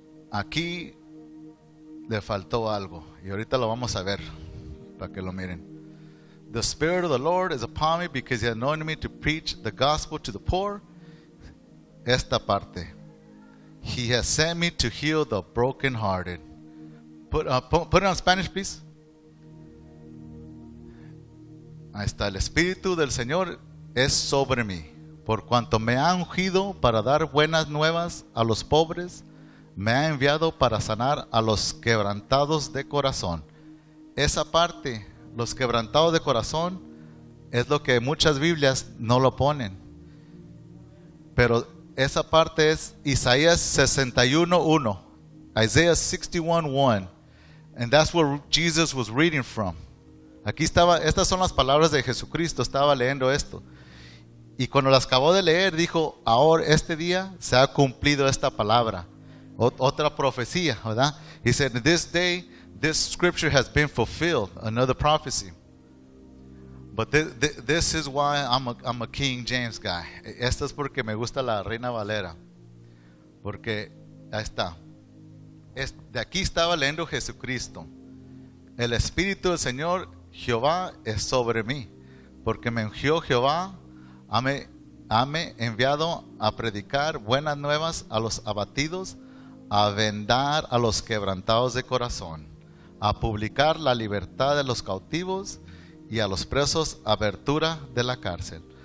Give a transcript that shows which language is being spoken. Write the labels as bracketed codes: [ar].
[es] Aquí le faltó algo, y ahorita lo vamos a ver para que lo miren. [en] The Spirit of the Lord is upon me because he anointed me to preach the gospel to the poor. [es] Esta parte. [en] He has sent me to heal the brokenhearted. Put it on Spanish, please. [es] Ahí está. El Espíritu del Señor es sobre mí. Por cuanto me ha ungido para dar buenas nuevas a los pobres, me ha enviado para sanar a los quebrantados de corazón. Esa parte, los quebrantados de corazón, es lo que muchas Biblias no lo ponen, pero esa parte es Isaías 61:1, [en] Isaiah 61:1, and that's where Jesus was reading from. [es] Aquí estaba, estas son las palabras de Jesucristo, estaba leyendo esto, y cuando las acabó de leer dijo, ahora este día se ha cumplido esta palabra, otra profecía, ¿verdad? [en] He said, this day this scripture has been fulfilled, another prophecy. But this is why I'm a King James guy. [es] Esto es porque me gusta la Reina Valera. Porque ahí está. De aquí estaba leyendo Jesucristo. El Espíritu del Señor Jehová es sobre mí. Porque me ungió Jehová, ame enviado a predicar buenas nuevas a los abatidos, a vendar a los quebrantados de corazón, a publicar la libertad de los cautivos y a los presos apertura de la cárcel.